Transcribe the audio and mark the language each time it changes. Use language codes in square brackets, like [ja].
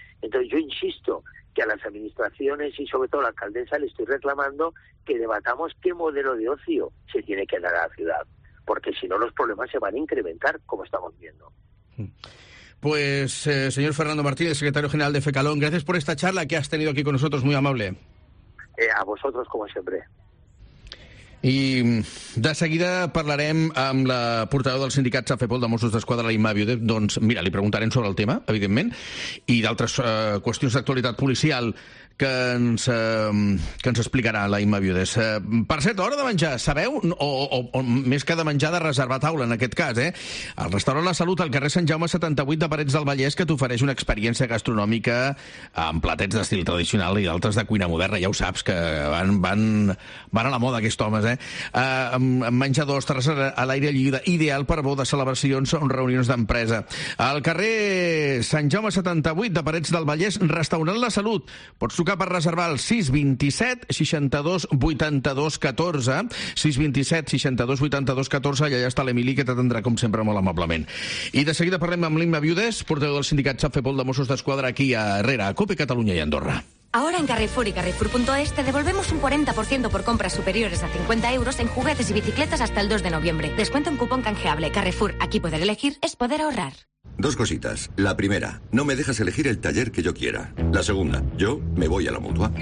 [es] Entonces, yo insisto que a las administraciones y sobre todo a la alcaldesa le estoy reclamando que debatamos qué modelo de ocio se tiene que dar a la ciudad, porque si no los problemas se van a incrementar, como estamos viendo. Pues, señor Fernando Martínez, secretario general de FECALÓN, gracias por esta charla que has tenido aquí con nosotros, muy amable. A vosotros, como siempre. [ca] I de seguida parlarem amb la portaveu del sindicat Safepol de Mossos d'Esquadra, la Imma Viudet. Doncs mira, li preguntarem sobre el tema, evidentment, i d'altres qüestions d'actualitat policial que ens explicarà la Imma Viudet. Per cert, hora de menjar, sabeu? O més que de menjar, de reservar taula, en aquest cas, El restaurant La Salut, al carrer Sant Jaume 78 de Parets del Vallès, que t'ofereix una experiència gastronòmica amb platets d'estil tradicional i d'altres de cuina moderna. Ja ho saps, que van a la moda, aquests homes, menjadors, terrassa a l'aire lliure, ideal per bodes, celebracions o reunions d'empresa. Al carrer Sant Jaume 78 de Parets del Vallès, restaurant La Salut. Pots trucar per reservar el 627 62 82 14. 627 62 82 14. Allà està l'Emili, que t'atendrà, com sempre, molt amablement. I de seguida parlem amb l'Imma Viudes, portaveu del sindicat Safepol de Mossos d'Esquadra, aquí a Herrera, a COPE Catalunya i Andorra. [es] Ahora en Carrefour y Carrefour.es te devolvemos un 40% por compras superiores a 50 euros en juguetes y bicicletas hasta el 2 de noviembre. Descuento en cupón canjeable. Carrefour, aquí poder elegir es poder ahorrar. Dos cositas. La primera, no me dejas elegir el taller que yo quiera. La segunda, yo me voy a la Mutua.